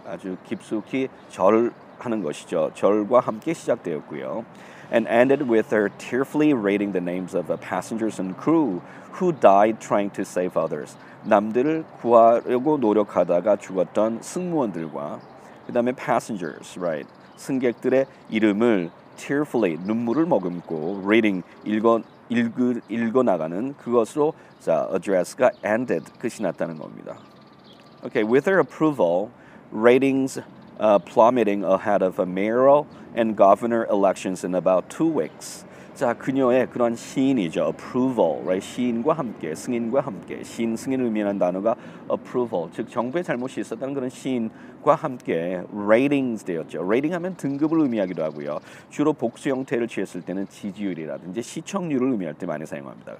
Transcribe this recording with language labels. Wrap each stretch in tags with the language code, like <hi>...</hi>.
<ko>아주 깊숙이 절하는 것이죠. 절과 함께 시작되었고요.</ko> <en>And ended with her tearfully reading the names of the passengers and crew who died trying to save others.</en> <ko>남들을 구하려고 노력하다가 죽었던 승무원들과 그 다음에</ko> <en>passengers, right?</en> <ko>승객들의 이름을 tearfully, 눈물을 머금고 reading, 읽어나가는 그것으로 자, address가 ended, 끝이 났다는 겁니다.</ko> <en>Okay, with her approval, ratings plummeting ahead of a mayoral and governor elections in about 2 weeks.</en> <ko>자, 그녀의 그런 시인이죠.</ko> <en>Approval, right?</en> <ko>시인과 함께, 승인과 함께, 시인, 승인을 의미하는 단어가 approval, 즉 정부의 잘못이 있었다는 그런 시인과 함께 ratings 되었죠. Rating 하면 등급을 의미하기도 하고요. 주로 복수 형태를 취했을 때는 지지율이라든지 시청률을 의미할 때 많이 사용합니다.</ko>